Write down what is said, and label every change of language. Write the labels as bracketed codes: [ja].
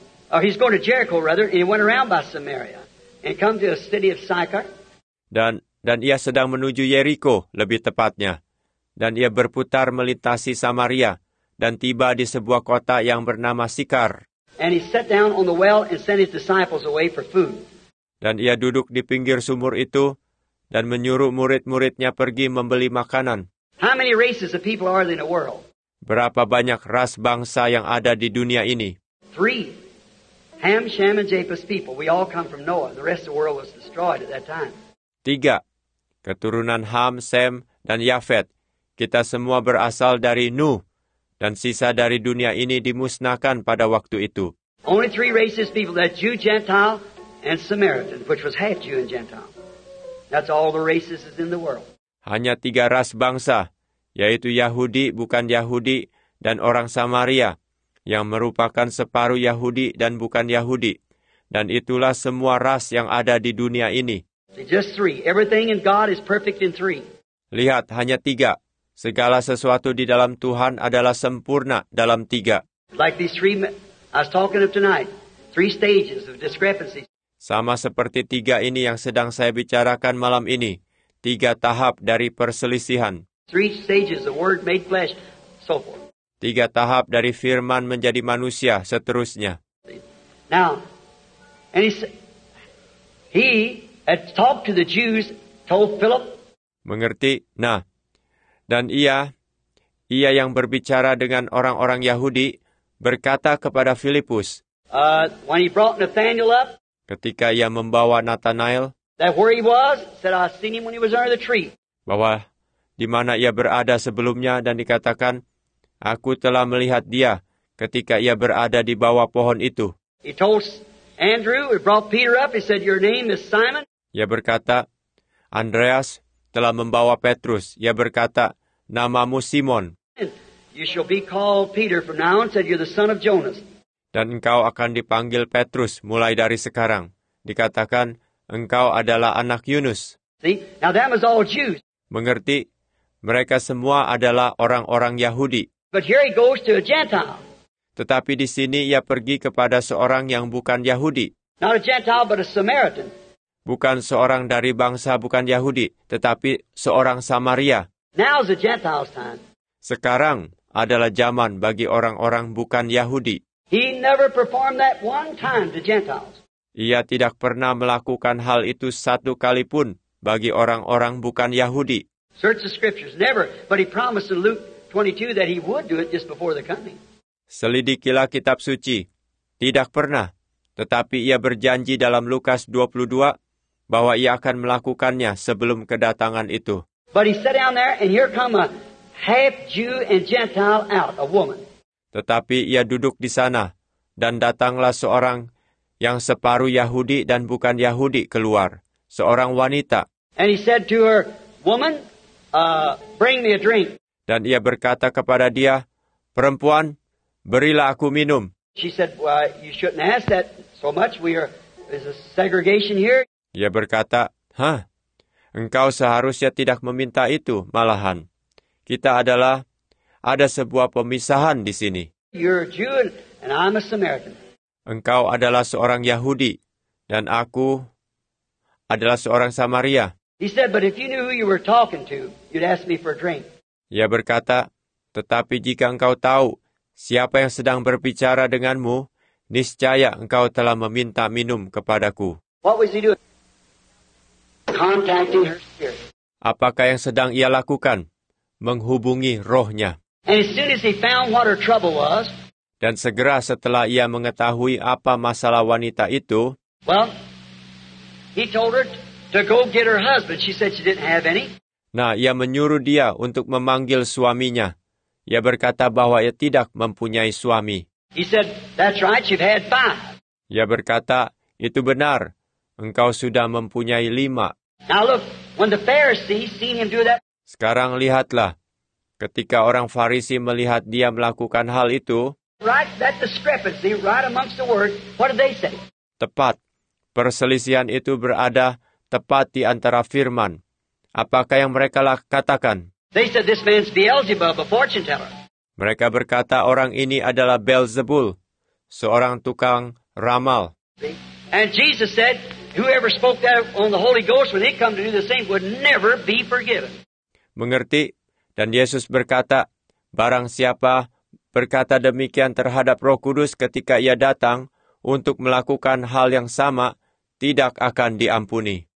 [en] He's going to Jericho rather. He went around by Samaria and come to a city of Sychar. [id] Dan dan ia sedang menuju Yeriko, lebih tepatnya. Dan ia berputar melintasi Samaria, dan tiba di sebuah kota yang bernama Sikar. [en] And he sat down on the well and sent his disciples away for food. [id] Dan ia duduk di pinggir sumur itu, dan menyuruh murid-muridnya pergi membeli makanan. [en] How many races of people are there in the world? [id] Berapa banyak ras bangsa yang ada di dunia ini? [en] 3. Ham, Shem, and Japheth's people. We all come from Noah. The rest of the world was destroyed at that time. [id] 3. Keturunan Ham, Shem, dan Yafet. Kita semua berasal dari Nuh, dan sisa dari dunia ini dimusnahkan pada waktu itu. [en] Only 3 races of people, that Jew, Gentile, and Samaritan, which was half Jew and Gentile. That's all the races is in the world. [id] Hanya 3 ras bangsa, yaitu Yahudi, bukan Yahudi, dan orang Samaria, yang merupakan separuh Yahudi dan bukan Yahudi. Dan itulah semua ras yang ada di dunia ini. [en] Just 3. Everything in God is perfect in 3. [id] Lihat, hanya 3. Segala sesuatu di dalam Tuhan adalah sempurna dalam 3. [en] Like these 3 I was talking of tonight, 3 stages of discrepancies. [id] Sama seperti 3 ini yang sedang saya bicarakan malam ini, 3 tahap dari perselisihan. [en] 3 stages, the word made flesh, so forth. [id] 3 tahap dari firman menjadi manusia, seterusnya. [en] Now, and he had talked to the Jews, told Philip. [id] Mengerti? Nah, dan ia yang berbicara dengan orang-orang Yahudi, berkata kepada Filipus. [en] When he brought Nathanael up. [id] Ketika ia membawa Nathanael. [en] That where he was, said I seen him when he was under the tree. [id] Bahwa di mana ia berada sebelumnya dan dikatakan, aku telah melihat dia ketika ia berada di bawah pohon itu. [en] He told Andrew, he brought Peter up, he said, your name is Simon. [id] Ia berkata, Andreas telah membawa Petrus. Ia berkata, namamu Simon. [en] You shall be called Peter from now on, said you're the son of Jonas. [id] Dan engkau akan dipanggil Petrus mulai dari sekarang. Dikatakan, engkau adalah anak Yunus. [en] See, now that was all Jews. [id] Mengerti? Mereka semua adalah orang-orang Yahudi. [en] But here he goes to a Gentile. [id] Tetapi di sini ia pergi kepada seorang yang bukan Yahudi. [en] Not a Gentile, but a Samaritan. [id] Bukan seorang dari bangsa bukan Yahudi, tetapi seorang Samaria. [en] Now's a Gentile's time. [id] Sekarang adalah zaman bagi orang-orang bukan Yahudi. [en] He never performed that one time to Gentiles. [id] Ia tidak pernah melakukan hal itu satu kali pun bagi orang-orang bukan Yahudi. [en] Search the scriptures, never, but he promised in Luke 22 that he would do it just before the coming. [id] Selidikilah kitab suci. Tidak pernah. Tetapi ia berjanji dalam Lukas 22 bahwa ia akan melakukannya sebelum kedatangan itu. [en] But he sat down there and here come a half Jew and Gentile out, a woman. [id] Tetapi ia duduk di sana dan datanglah seorang yang separuh Yahudi dan bukan Yahudi keluar, seorang wanita. [en] And he said to her, woman, bring me a drink. [id] Dan ia berkata kepada dia, perempuan, berilah aku minum. [en] She said, well, you shouldn't ask that so much. There's a segregation here. [id] Ia berkata, hah, engkau seharusnya tidak meminta itu, malahan. Kita adalah, ada sebuah pemisahan di sini. [en] You're a Jew and I'm a Samaritan. [id] Engkau adalah seorang Yahudi dan aku adalah seorang Samaria. [en] He said, but if you knew who you were talking to, you'd ask me for a drink. [id] Ia berkata, tetapi jika engkau tahu siapa yang sedang berbicara denganmu, niscaya engkau telah meminta minum kepadaku. [en] What was he doing? Contacting her spirit. [id] Apakah yang sedang ia lakukan? Menghubungi rohnya. [en] And as soon as he found what her trouble was, [id] dan segera setelah ia mengetahui apa masalah wanita itu, [en] well, he told her to go get her husband. She said she didn't have any. [id] Nah, ia menyuruh dia untuk memanggil suaminya. Ia berkata bahwa ia tidak mempunyai suami. [en] He said, that's right, you've had 5. [id] Ia berkata, itu benar, engkau sudah mempunyai 5. [en] Now look, when the Pharisees seen him do that. [id] Sekarang lihatlah, ketika orang Farisi melihat dia melakukan hal itu. [en] Right, that discrepancy, right amongst the word, what did they say? [id] Tepat, perselisihan itu berada tepat di antara firman. Apakah yang mereka katakan? [en] They said this man's Beelzebub, a fortune teller. [id] Mereka berkata orang ini adalah Beelzebul, seorang tukang ramal. [en] And Jesus said, Whoever spoke that on the Holy Ghost when he come to do the same would never be forgiven. [id] Mengerti? Dan Yesus berkata, barang siapa berkata demikian terhadap Roh Kudus ketika ia datang untuk melakukan hal yang sama, tidak akan diampuni.